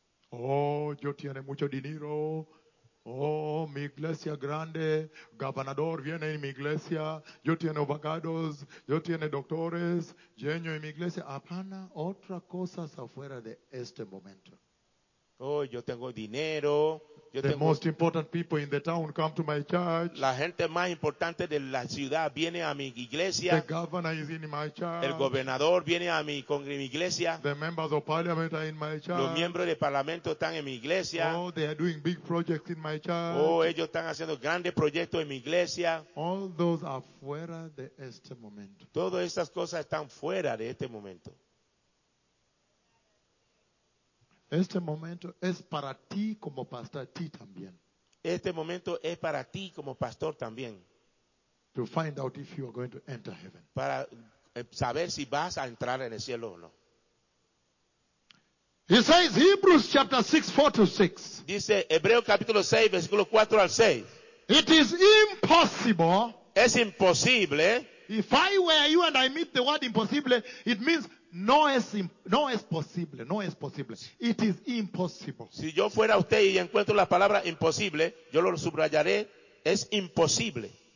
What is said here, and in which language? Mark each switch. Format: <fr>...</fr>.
<es>Oh, yo tiene mucho dinero. Oh, mi iglesia grande. Gobernador viene en mi iglesia. Yo tiene abogados. Yo tiene doctores. Genio en mi iglesia. Apana, otra cosa afuera de este momento. Oh, yo tengo dinero. Yo</es> <en>the</en> <es>tengo...</es> <en>most important people in the town come to my church.</en> <es>La gente más importante de la ciudad viene a mi iglesia.</es> <en>The governor is in my church.</en> <es>El gobernador viene a mi iglesia.</es> <en>The members of parliament are in my church.</en> <es>Los miembros del parlamento están en mi iglesia.</es> <en>Oh, they are doing big projects in my church.</en> <es>Oh, ellos están haciendo grandes proyectos en mi iglesia.</es> <en>All those are</en> <es>fuera de este momento. Todas estas cosas están fuera de este momento. Este momento es para ti como pastor, ti también. Este momento es para ti como pastor también.</es> <en>To find out if you are going to enter heaven.</en> <es>Para saber si vas a entrar en el cielo o no.</es> <en>He says Hebrews chapter 6, 4 to 6.</en> <es>Dice Hebreos capítulo 6, versículo 4 al 6.</es> <en>It is impossible.</en> <es>Es imposible.</es> <en>If I were you and I meet the word impossible, it means</en> <es>No es posible.</es> <en>It is impossible.</en> <es>Si yo fuera usted y encuentro la palabra imposible, yo lo subrayaré, es imposible.</es>